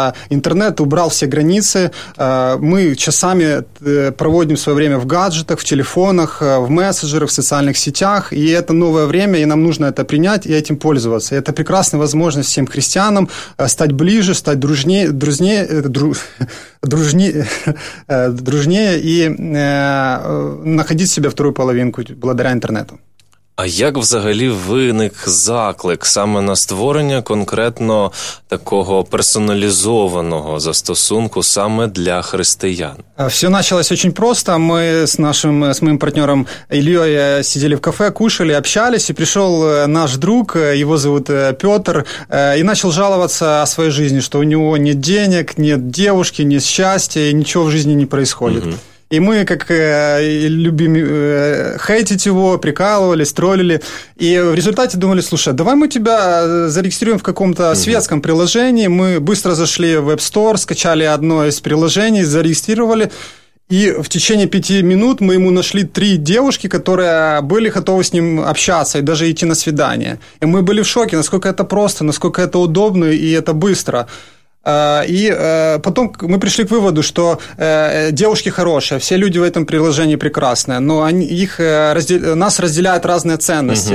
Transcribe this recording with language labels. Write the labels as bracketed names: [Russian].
[Russian] Интернет убрал все границы. Мы часами проводим свое время в гаджетах, в телефонах, в мессенджерах, в социальных сетях. И это новое время, и нам нужно это принять и этим пользоваться. И это прекрасная возможность всем христианам стать ближе, стать дружнее и находить себе вторую половинку благодаря интернету. [Ukrainian] А як взагалі виник заклик саме на створення конкретно такого персоналізованого застосунку саме для християн? [Russian] Все началось очень просто. Мы с моим партнером Ильей сидели в кафе, кушали, общались, и пришел наш друг, его зовут Петр, и начал жаловаться о своей жизни, что у него нет денег, нет девушки, нет счастья, и ничего в жизни не происходит. Угу. И мы, как любим хейтить его, прикалывались, троллили. И в результате думали, слушай, давай мы тебя зарегистрируем в каком-то светском приложении. Мы быстро зашли в App Store, скачали одно из приложений, зарегистрировали. И в течение 5 минут мы ему нашли 3 девушки, которые были готовы с ним общаться и даже идти на свидание. И мы были в шоке, насколько это просто, насколько это удобно и это быстро. И потом мы пришли к выводу, что девушки хорошие, все люди в этом приложении прекрасные, но нас разделяют разные ценности.